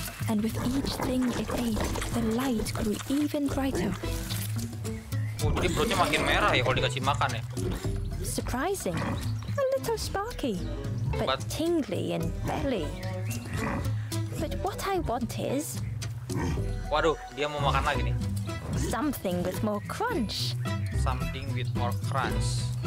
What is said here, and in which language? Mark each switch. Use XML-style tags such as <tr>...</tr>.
<en>And with each thing it ate, the light grew even brighter.</en> <id>Jadi perutnya makin merah ya kalau dikasih makan ya.</id> <en>Surprising, a little sparky, but tingly in belly. But what I want is.</en> <id>Waduh, dia mau makan lagi nih.</id> <en>Something with more crunch. Something with more crunch.</en>